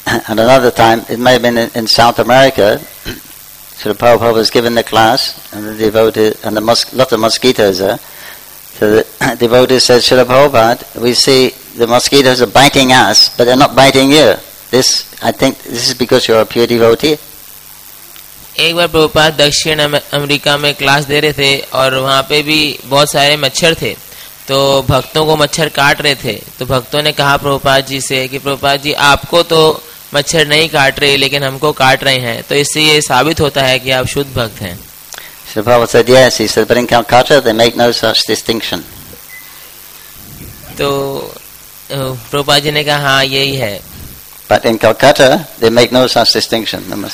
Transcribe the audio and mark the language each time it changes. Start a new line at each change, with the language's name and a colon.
English: And another time, it may have been in South America, Sri Prabhupada was given the class and the devotees and lots of mosquitoes there. So the devotee said, "Srila Prabhupada, we see the mosquitoes are biting us, but they're not biting you. I think this is because you're a pure devotee."
Hindi: एक बार प्रभुपाद दक्षिण America में class दे रहे थे और वहाँ पे भी बहुत सारे मच्छर थे तो भक्तों को मच्छर काट रहे थे तो भक्तों ने कहा प्रभुपाद जी से कि प्रभुपाद जी आपको तो मच्छर नहीं काट रहे लेकिन हमको काट रहे हैं तो इससे ये साबित होता है कि आप शुद्ध भक्त हैं.
English: Sri Prabhupada said, "Yes." He said, "But in Calcutta, they make no such distinction."
Hindi: So, Prabhupada ji ne kaha, "Haan, yehi hai."
English: But in Calcutta, they make no such distinction.